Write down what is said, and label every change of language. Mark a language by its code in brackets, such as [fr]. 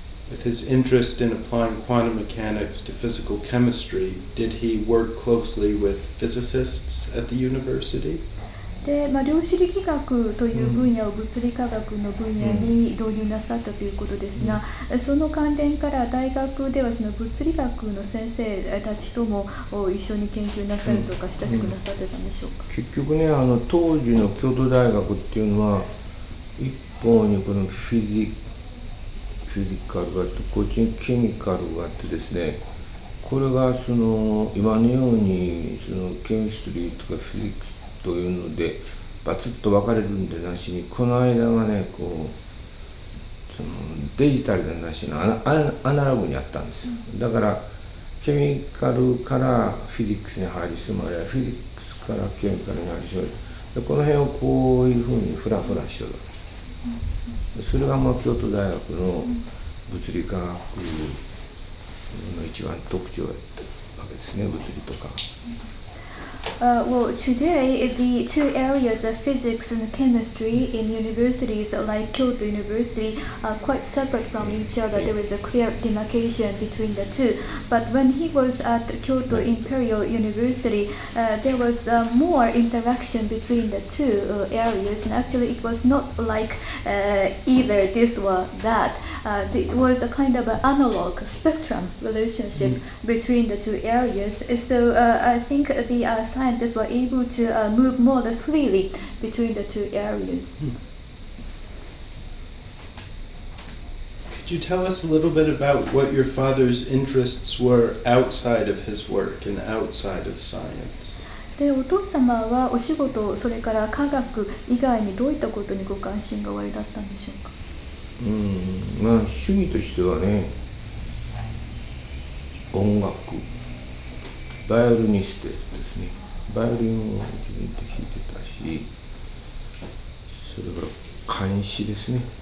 [en] With his interest in applying quantum mechanics to physical chemistry, did he work closely with physicists at the university? [ja] で、まあ、量子力学という分野を物理科学の分野に導入なさったということですが、その関連から大学ではその物理学の先生たちとも一緒に研究なさるとか親しくなさってたんでしょうか。結局ね、あの当時の京都大学っていうのは一方にこのフィジカルがあって、こっちにケミカルがあってですね、これがその今のようにそのケミストリーとかフィジックスというのでバツッと分かれるんでなしに、この間がね、こうそのデジタルでなしのアナログにあったんですよ。だからケミカルからフィジックスに入りすまれ、フィジックスからケミカルに入りすまれ、この辺をこういうふうにフラフラしてるわけです。それがもう京都大学の物理科学の一番特徴だったわけですね、物理とか。 [en] Well, today, the two areas of physics and chemistry in universities like Kyoto University are quite separate from each other. There is a clear demarcation between the two. But when he was at Kyoto Imperial University, there was more interaction between the two areas. And actually, it was not like either this or that. It was a kind of an analog spectrum relationship between the two areas. So I think the scientists were able to move more or less freely between the two areas. Could you tell us a little bit about what your father's interests were outside of his work and outside of science? [ja] で、お父様はお仕事、それから科学以外にどういったことにご関心がおありだったんでしょうか？まあ、趣味としてはね、音楽、バイオリニストですね。バイオリンを自分で弾いてたし、それから漢詩ですね。